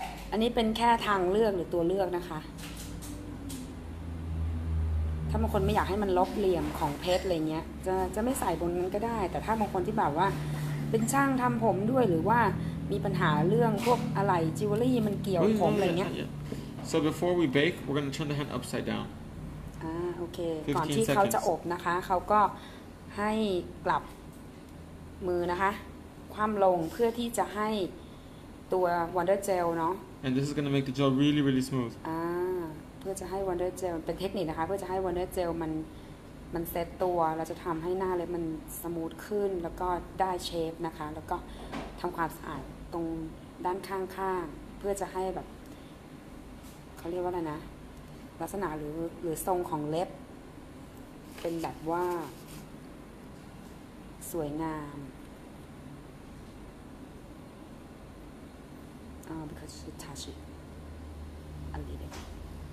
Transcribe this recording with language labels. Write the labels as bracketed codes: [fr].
[th] อันนี้เป็นแค่ทางเลือกหรือตัวเลือกนะคะถ้าบางคนไม่อยากให้มันลบเหลี่ยมของเพชรอะไรเงี้ยจะไม่ใส่บนนั้นก็ได้แต่ถ้าบางคนที่แบบว่าเป็นช่างทำผมด้วยหรือว่ามีปัญหาเรื่องพวกอะไรจิวเวลรี่มันเกี่ยวผมอะไรเงี้ย [en] So before we bake we're going to turn the hand upside down [th] โอเคก่อนที่เขาจะอบนะคะเขาก็ให้กลับมือนะคะคว่ำลงเพื่อที่จะให้ตัววันเดอร์เจลเนาะ [en] And this is going to make the gel really really smooth [th] เพื่อจะให้วันเดอร์เจลเป็นเทคนิคนะคะเพื่อจะให้วันเดอร์เจลมันเซตตัวเราจะทำให้หน้าเล็บมันสมูทขึ้นแล้วก็ได้เชฟนะคะแล้วก็ทำความสะอาดตรงด้านข้างๆเพื่อจะให้แบบ เขาเรียกว่าอะไรนะลักษณะหรือทรงของเล็บเป็นแบบว่าสวยงาม [en] because she touch it a little bit